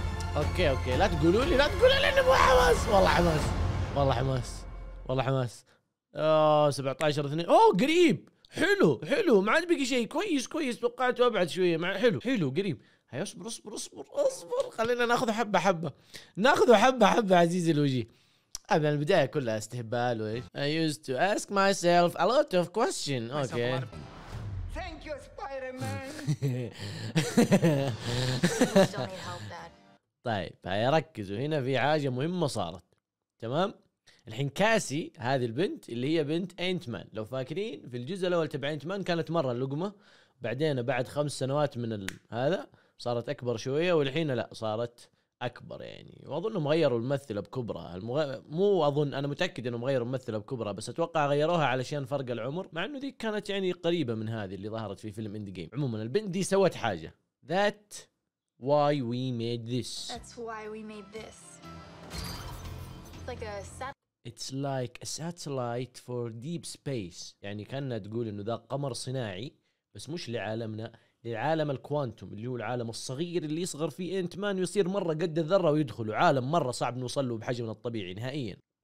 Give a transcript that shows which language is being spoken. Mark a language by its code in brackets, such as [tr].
[en] Okay. [ar] لا تقولوا لي انه مو حماس. والله حماس. 17/2. اوه قريب، حلو ما عاد بقي شيء. كويس توقعت ابعد شويه مع حلو قريب. هيا اصبر، خلينا ناخذ حبه عزيزي الوجي. ابدا البدايه كلها استهبال. وايش [en] I used to ask myself a lot of question. Okay thank you Spider Man. [ar] طيب هيا ركزوا، هنا في حاجه مهمه صارت. تمام الحين كاسي هذه البنت اللي هي بنت انت مان، لو فاكرين في الجزء الاول تبع انت مان كانت مره لقمه، بعدين بعد 5 سنوات من هذا صارت اكبر شويه، والحين لا صارت اكبر يعني. واظنهم غيروا الممثله بكبرى، انا متاكد انهم غيروا الممثله بكبرى، بس اتوقع غيروها علشان فرق العمر، مع انه ذيك كانت يعني قريبه من هذه اللي ظهرت في فيلم اند جيم. عموما البنت دي سوت حاجه. [en] That's why we made this. It's like a It's like a satellite for deep space. [ar] يعني كأنها تقول إنه ذا قمر صناعي بس مش لعالمنا، لعالم الكوانتوم اللي هو العالم الصغير اللي يصغر فيه إنت مان ويصير مرة قد الذرة ويدخل عالم مرة صعب نوصل له بحجمنا الطبيعي نهائيا.